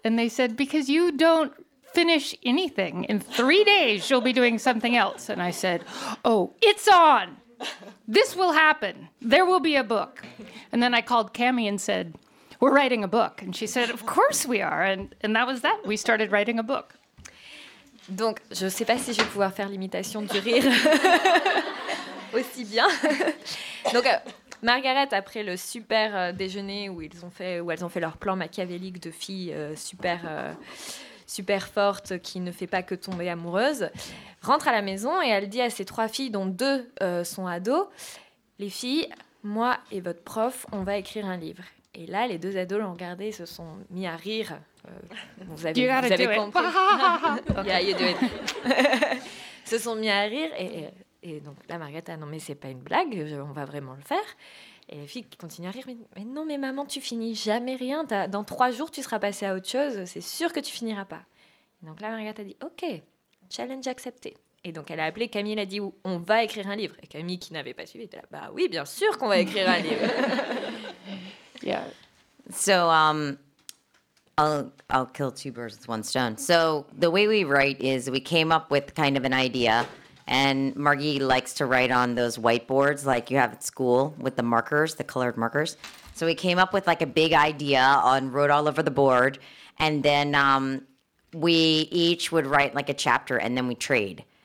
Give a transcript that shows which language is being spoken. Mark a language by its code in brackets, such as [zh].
[en] And they said, because you don't finish anything. In 3 days, you'll be doing something else. And I said, oh, it's on. This will happen. There will be a book. And then I called Cami and said, we're writing a book. And she said, of course we are. And that was that. We started writing a book. [fr] Donc, je ne sais pas si je vais pouvoir faire l'imitation du rire aussi bien. Donc, Margaret, après le super déjeuner où elles ont fait leur plan machiavélique de fille super, super forte qui ne fait pas que tomber amoureuse, rentre à la maison et elle dit à ses trois filles, dont deux sont ados, « Les filles, moi et votre prof, on va écrire un livre. » Et là, les deux ados l'ont regardé et se sont mis à rire. Vous avez compris. [en] Yeah, you do it. [fr] Se sont mis à rire. Et donc là, Margaret a non, mais c'est pas une blague, on va vraiment le faire. Et les filles continuent à rire. Mais non, mais maman, tu finis jamais rien. Dans 3 jours, tu seras passée à autre chose. C'est sûr que tu finiras pas. Et donc là, Margaret a dit, OK, challenge accepté. Et donc elle a appelé Camille, elle a dit, on va écrire un livre. Et Camille, qui n'avait pas suivi, était là, bah oui, bien sûr qu'on va écrire un livre. [en] Yeah. So I'll kill two birds with one stone. So the way we write is we came up with kind of an idea, and Margie likes to write on those whiteboards like you have at school with the markers, the colored markers. So we came up with like a big idea and wrote all over the board, and then we each would write like a chapter, and then we trade.